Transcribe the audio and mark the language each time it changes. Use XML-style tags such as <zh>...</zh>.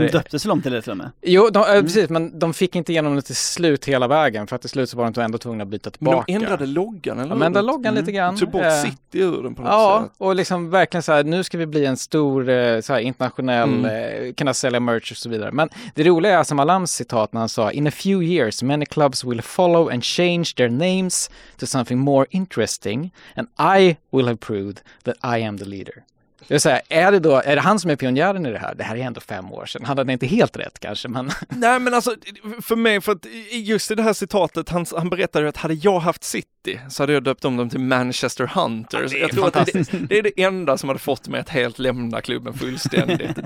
<sv>De döpte så långt till det till och med. Jo, precis. Men de fick inte igenom det till slut hela vägen. För att till slut så var de ändå tvungna att byta tillbaka. Men de ändrade loggan eller? De ändrade loggan lite grann. Tog bort City ur den på något ja, sätt. Ja, och liksom verkligen så här, nu ska vi bli en stor så här, internationell, kunna sälja merch och så vidare. Men det roliga är som Alams citat när han sa,</sv> <en>in a few years many clubs will follow and change their names to something more interesting and I will have proved that I am the leader.</en> <sv>Det vill säga, är det han som är pionjären i det här? Det här är ändå 5 år sedan. Han hade inte helt rätt kanske, men... Nej, men alltså, för mig, för att just i det här citatet, han berättade ju att hade jag haft City så hade jag döpt om dem till Manchester Hunters. Ja, det är fantastiskt. Det är det enda som hade fått mig att helt lämna klubben fullständigt.</sv>